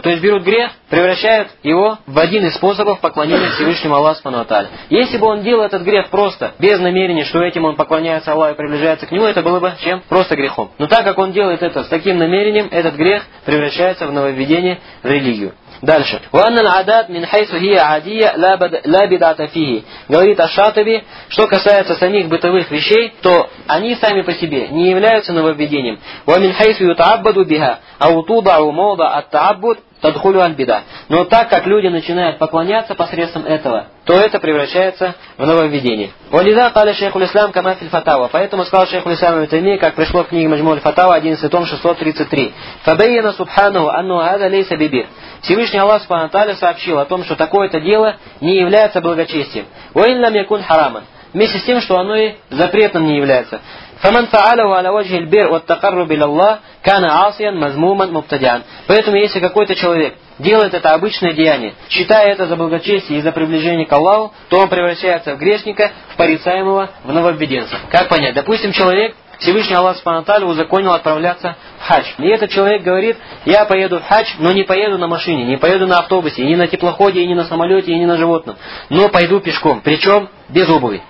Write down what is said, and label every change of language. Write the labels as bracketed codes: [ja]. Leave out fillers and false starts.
[ru] То есть берут грех, превращают его в один из способов поклонения Всевышнему Аллаху Субхану ва Тааля. Если бы он делал этот грех просто, без намерения, что этим он поклоняется Аллаху и приближается к нему, это было бы чем? Просто грехом. Но так как он делает это с таким намерением, этот грех превращается в нововведение в религию. Дальше. [ar] وأن العادات من حيث هي عادية لا بدعة فيه. [ru] Говорит аш-Шатиби, что касается самих бытовых вещей, то они сами по себе не являются нововведением. [ar] ومن حيث يتعبد بها أو توضع موضع التعبد تدخل البدعة. [ru] Но так как люди начинают поклоняться посредством этого, то это превращается в нововведение. [ar] ولذا قال شيخ الإسلام كما في الفتاوى. [ru] Поэтому сказал шейх ислам в этой книге, как пришло в книге Маджмуль Фатава 11 том 633. [ar] فبين سبحانه أنه هذا ليس ببر. [ru] Всевышний Аллах Субхану ва Тааля сообщил о том, что такое-то дело не является благочестием. [ar] وإن لم يكن حراما. [ru] Вместе с тем, что оно и запретным не является. [ar] فمن فعله على وجه البر والتقرب إلى الله كان عاصيا مذموما مبتدعا. [ru] Поэтому если какой-то человек делает это обычное деяние, считая это за благочестие и за приближение к Аллаху, то он превращается в грешника, в порицаемого, в нововведенца. Как понять? Допустим, человек, Всевышний Аллах Субхану ва Тааля узаконил отправляться в хадж. И этот человек говорит, я поеду в хадж, но не поеду на машине, не поеду на автобусе, и не на теплоходе, и не на самолете, и не на животном, но пойду пешком, причем без обуви.